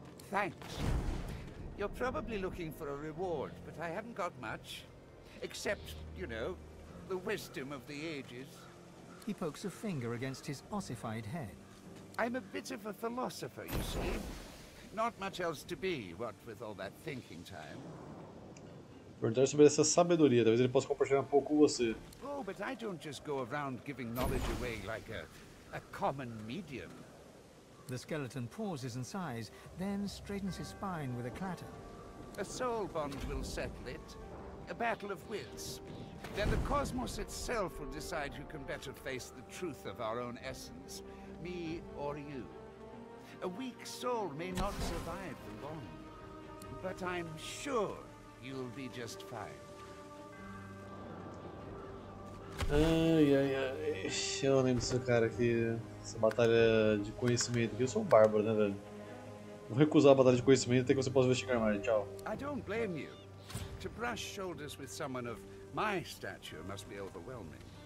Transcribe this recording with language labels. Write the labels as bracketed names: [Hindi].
[English] Thanks. You're probably looking for a reward, but I haven't got much. Except, you know, the wisdom of the ages. He pokes a finger against his ossified head. I'm a bit of a philosopher, you see. Not much else to be, what with all that thinking time. [Portuguese] Perguntar sobre essa sabedoria, talvez ele possa compartilhar um pouco com você. [English] Oh, but I don't just go around giving knowledge away like a common medium. The skeleton pauses and sighs, then straightens his spine with a clatter. A soul bond will settle it. A battle of wits. Then the cosmos itself will decide who can better face the truth of our own essence, me or you. A weak soul may not survive the bond, but I'm sure you'll be just fine. [Portuguese] Ai, ai, ai, eu lembro desse cara aqui. Essa batalha de conhecimento aqui. Eu sou um bárbaro, né, velho? Vou recusar a batalha de conhecimento até que você possa investigar mais. Tchau. [English] I don't blame you. To brush shoulders with someone of my stature must be overwhelming.